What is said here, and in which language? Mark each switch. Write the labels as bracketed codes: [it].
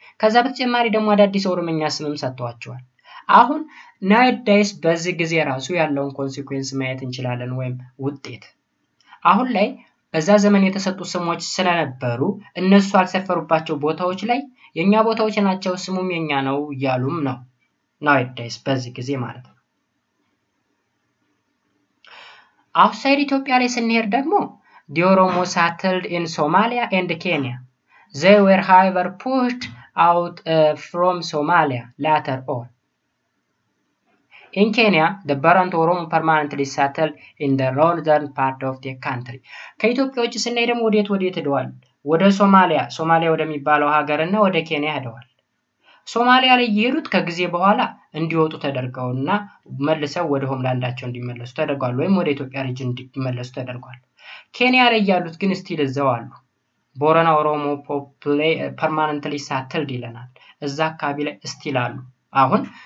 [am] ከዛ በተጨማሪ ደግሞ አዳዲስ ኦሮምኛ ስምም ሰጥተዋቸዋል። አሁን nowadays በዚህ ጊዜ ራሱ ያለውን ኮንሲኩዌንስ ማየት እንችላለን ወይም ውጤት። አሁን ላይ በዛ ዘመን የተሰጡ ስሞች ስለነበሩ እነሱ አልሰፈሩባቸው ቦታዎች ላይ የኛ ቦታዎች ናቸው ስሙም የኛ ነው ያሉም ነው። nowadays በዚህ ጊዜ ማለት ነው። አውትሳይድ ኢትዮጵያ ላይ ስንሄድ ደግሞ [en] The Oromo settled in Somalia and Kenya. They were however pushed out from Somalia later on. In Kenya, the Barant Oromo permanently settled in the northern part of the country. [am] ከኢትዮጵያዎች ስንሄድ ደግሞ ወዴት ወዴት ሄደዋል? ወደ ሶማሊያ፣ ሶማሊያ ወደሚባለው ሀገርና ወደ ኬንያ ሄደዋል። ሶማሊያ ላይ የሄዱት ከጊዜ በኋላ እንዲወጡ ተደርገውና መልሰው ወደ ሆምላንዳቸው እንዲመለሱ ተደርጓል ወይም ወደ ኢትዮጵያ ሪጅን እንዲመለሱ ተደርጓል። ኬንያ ላይ ያሉት ግን ስቲል እዛው አሉ። ቦረና ኦሮሞ ፖፕሌ ፐርማነንትሊ ሳትልድ ይለናል። እዛ አካባቢ ላይ ስቲል አሉ። አሁን